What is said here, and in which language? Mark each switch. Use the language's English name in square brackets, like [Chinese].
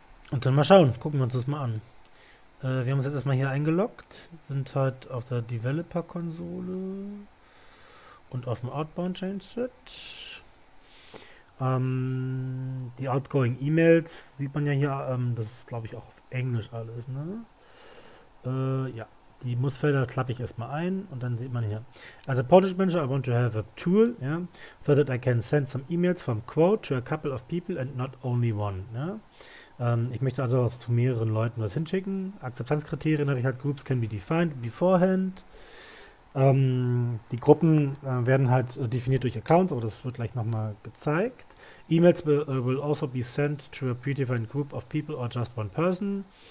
[German] Und dann mal schauen, gucken wir uns das mal an. Wir haben uns jetzt erstmal hier eingeloggt, sind halt auf der Developer-Konsole und auf dem Outbound-Change-Set. Die Outgoing-E-Mails sieht man ja hier, das ist glaube ich auch auf Englisch alles, ne? Ja, die Muss-Felder klappe ich erstmal ein und dann sieht man hier. [English] As a Product Manager, I want to have a tool, yeah, so that I can send some E-Mails from quote to a couple of people and not only one, ne? [German] Ich möchte also was zu mehreren Leuten was hinschicken. Akzeptanzkriterien habe ich halt, [English] Groups can be defined beforehand. [German] Die Gruppen werden halt definiert durch Accounts, aber das wird gleich nochmal gezeigt. [English] E-Mails will also be sent to a predefined group of people or just one person.